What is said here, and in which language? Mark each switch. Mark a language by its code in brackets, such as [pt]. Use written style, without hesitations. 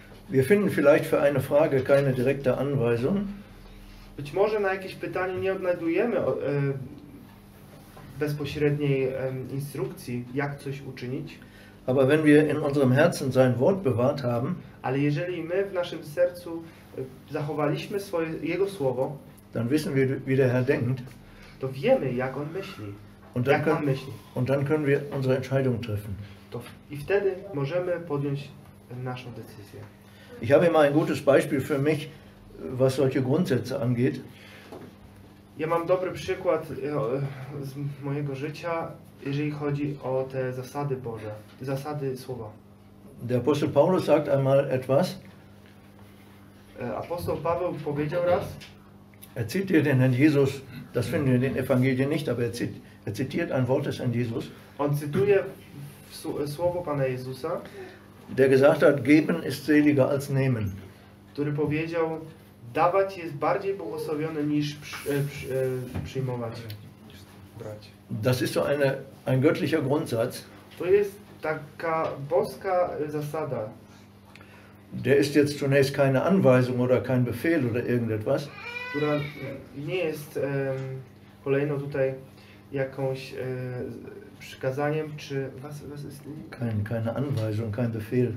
[de] Wir finden vielleicht für eine Frage keine direkte Anweisung. [pl] Być może na jakieś pytanie nie odnajdujemy bezpośredniej instrukcji, jak coś uczynić. [de] Aber wenn wir in unserem Herzen sein Wort bewahrt haben, [pl] ale jeżeli my w naszym sercu zachowaliśmy swoje, jego słowo, [de] dann wissen wir, wie der Herr denkt, [pl] to wiemy, jak on myśli. [de] Und dann, [pl] jak [de] können, [pl] on myśli. [de] Und dann können wir unsere Entscheidung treffen. [pl] To, i wtedy możemy podjąć naszą decyzję. [de] Ich habe immer ein gutes Beispiel für mich, was solche Grundsätze angeht. [pl] Ja mam dobry przykład z mojego życia, jeżeli chodzi o te zasady Boże, zasady słowa. [de] Der Apostel Paulus sagt einmal etwas. [pl] Apostoł Paweł powiedział raz. [de] Er zitiert den Herrn Jesus, das finden wir in den Ewangelien nicht, aber er zitiert ein Wort des Herrn Jesus. [pl] On cytuje słowo Pana Jezusa, [de] der gesagt hat, geben ist seliger als nehmen. [pl] Który powiedział, dawać jest bardziej błogosławione niż przyjmować. Brać. [de] Das ist so ein göttlicher Grundsatz. [pl] To jest taka boska zasada. [de] Der ist jetzt zunächst keine Anweisung oder kein Befehl oder irgendetwas. [pl] Która nie jest kolejno tutaj jakąś przykazaniem czy [de] was ist keine Anweisung, kein Befehl.